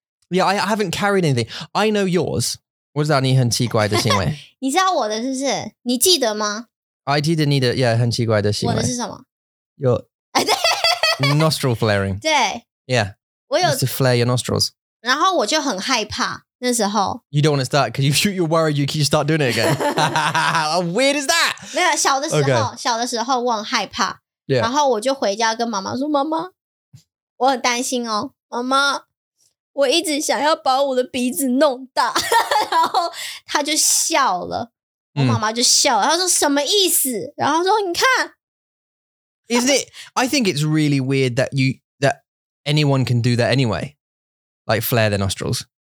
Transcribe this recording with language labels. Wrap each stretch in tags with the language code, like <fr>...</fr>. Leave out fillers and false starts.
<en>Yeah, I haven't carried anything. I know yours.</en> <zh>我知道你很奇怪的行为。你知道我的是不是？你记得吗？I 记得你的 ，Yeah， 很奇怪的行为。我的是什么</zh> <en>？Your nostril flaring.</en> <zh>对。</zh> <en>Yeah.</en> <zh>我有</zh> <en>to flare your nostrils.</en> <zh>然后我就很害怕那时候。</zh> <en>You don't want to start because you're worried you can start doing it again. How weird is that?</en> <zh>没有小的时候， okay. 小的时候我很害怕。</zh> <en>Yeah.</en> <zh>然后我就回家跟妈妈说：“妈妈，我很担心哦，妈妈。” 我一直想要把我的鼻子弄大，然后他就笑了，我妈妈就笑了，她说什么意思？然后说你看</zh> <en>，Isn't it? I think it's really weird that anyone can do that anyway, like flare their nostrils.</en>